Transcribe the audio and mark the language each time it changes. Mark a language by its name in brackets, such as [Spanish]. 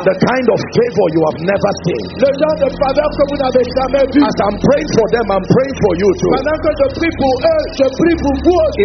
[English] the kind of favor you have never seen. [French] Le genre de faveur que vous n'avez jamais vu. [English] As I'm praying for them, I'm praying for you too. [French] Pendant que je prie pour eux, je prie pour vous aussi.